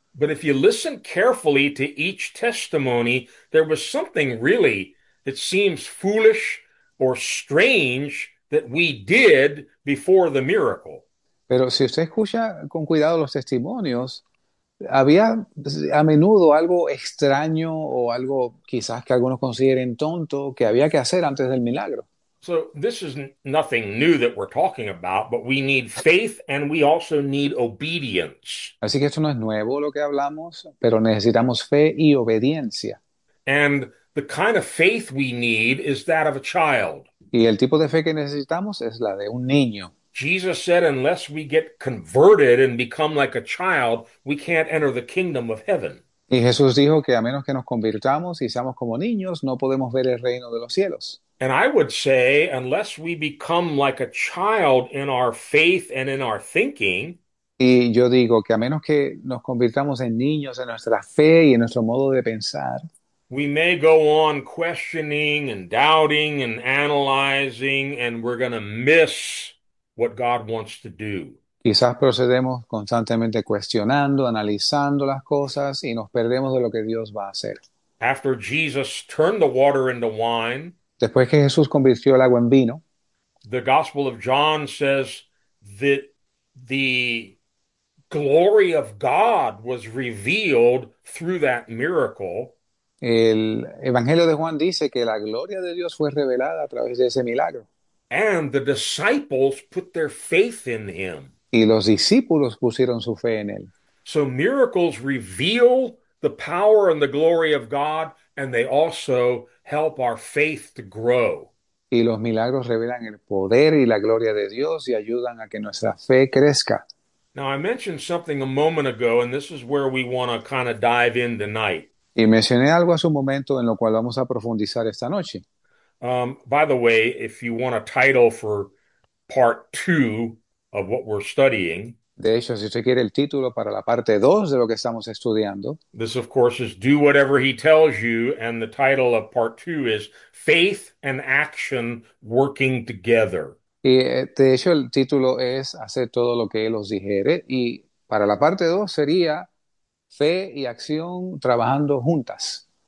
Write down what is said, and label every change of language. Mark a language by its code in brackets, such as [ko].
[en] But if you listen carefully to each testimony, there was something really, it seems foolish or strange that we did before the miracle. [es] Pero si usted escucha con cuidado los testimonios, había a menudo algo extraño o algo quizás que algunos consideren tonto que había que hacer antes del milagro. [en] So this is nothing new that we're talking about, but we need faith and we also need obedience. [es] Así que esto no es nuevo lo que hablamos, pero necesitamos fe y obediencia. [en] And the kind of faith we need is that of a child. [es] Y el tipo de fe que necesitamos es la de un niño. [en] Jesus said, unless we get converted and become like a child, we can't enter the kingdom of heaven. [es] Y Jesús dijo que a menos que nos convirtamos y seamos como niños, no podemos ver el reino de los cielos. [en] And I would say, unless we become like a child in our faith and in our thinking, [es] Y yo digo que a menos que nos convirtamos en niños en nuestra fe y en nuestro modo de pensar, [en] we may go on questioning and doubting and analyzing, and we're going to miss what God wants to do. [es] quizás procedemos constantemente cuestionando, analizando las cosas y nos perdemos de lo que Dios va a hacer. [en] After Jesus turned the water into wine, [es] Después que Jesús convirtió el agua en vino, [en] the Gospel of John says that the glory of God was revealed through that miracle. [es] el Evangelio de Juan dice que la gloria de Dios fue revelada a través de ese milagro. [en] And the disciples put their faith in him. [es] Y los discípulos pusieron su fe en él. [en] So miracles reveal the power and the glory of God, and they also help our faith to grow. [es] Y los milagros revelan el poder y la gloria de Dios y ayudan a que nuestra fe crezca. [en] Now, I mentioned something a moment ago, and this is where we want to kind of dive in tonight. [es] Y mencioné algo hace un momento en lo cual vamos a profundizar esta noche. [en] By the way, if you want a title for part two of what we're studying, [es] De hecho, si usted quiere el título para la parte 2 de lo que estamos estudiando, [en] this, of course, is Do Whatever He Tells You, and the title of part two is Faith and Action Working Together. [es] y de hecho el título es Hacer todo lo que Él os dijere, y para la parte 2 sería Fe y acción trabajando juntas.